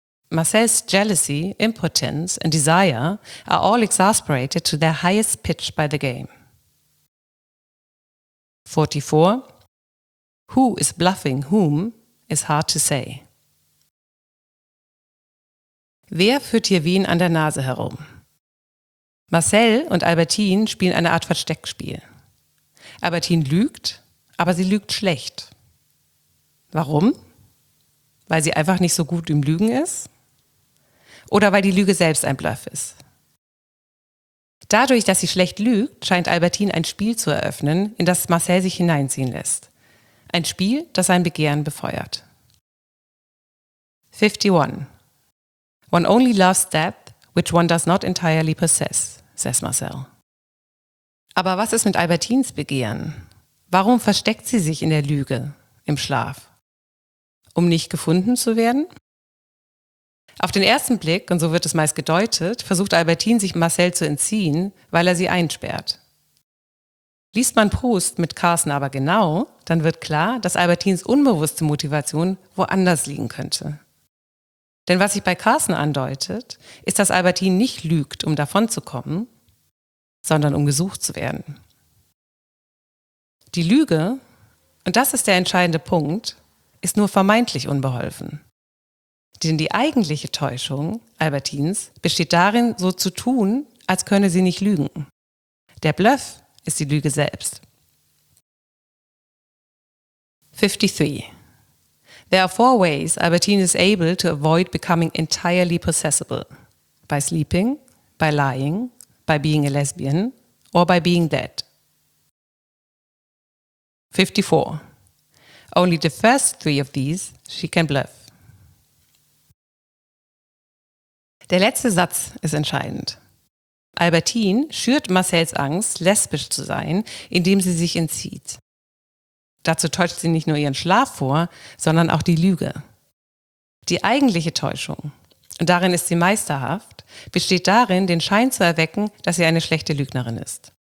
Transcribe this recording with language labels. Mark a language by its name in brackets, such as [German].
[English] Marcel's jealousy, impotence and desire are all exasperated to their highest pitch by the game. 44. Who is bluffing whom is hard to say. [German] Wer führt hier wen an der Nase herum? Marcel und Albertine spielen eine Art Versteckspiel. Albertine lügt, aber sie lügt schlecht. Warum? Weil sie einfach nicht so gut im Lügen ist? Oder weil die Lüge selbst ein Bluff ist? Dadurch, dass sie schlecht lügt, scheint Albertine ein Spiel zu eröffnen, in das Marcel sich hineinziehen lässt. Ein Spiel, das sein Begehren befeuert. 51. [English] One only loves that which one does not entirely possess, says Marcel. [German] Aber was ist mit Albertines Begehren? Warum versteckt sie sich in der Lüge, im Schlaf? Um nicht gefunden zu werden? Auf den ersten Blick, und so wird es meist gedeutet, versucht Albertine sich Marcel zu entziehen, weil er sie einsperrt. Liest man Proust mit Carson aber genau, dann wird klar, dass Albertines unbewusste Motivation woanders liegen könnte. Denn was sich bei Carsten andeutet, ist, dass Albertine nicht lügt, um davonzukommen, sondern um gesucht zu werden. Die Lüge, und das ist der entscheidende Punkt, ist nur vermeintlich unbeholfen. Denn die eigentliche Täuschung Albertines besteht darin, so zu tun, als könne sie nicht lügen. Der Bluff ist die Lüge selbst. 53. [English] There are four ways Albertine is able to avoid becoming entirely possessible. By sleeping, by lying, by being a lesbian, or by being dead. 54. Only the first three of these she can bluff. [German] Der letzte Satz ist entscheidend. Albertine schürt Marcells Angst, lesbisch zu sein, indem sie sich entzieht. Dazu täuscht sie nicht nur ihren Schlaf vor, sondern auch die Lüge. Die eigentliche Täuschung, und darin ist sie meisterhaft, besteht darin, den Schein zu erwecken, dass sie eine schlechte Lügnerin ist.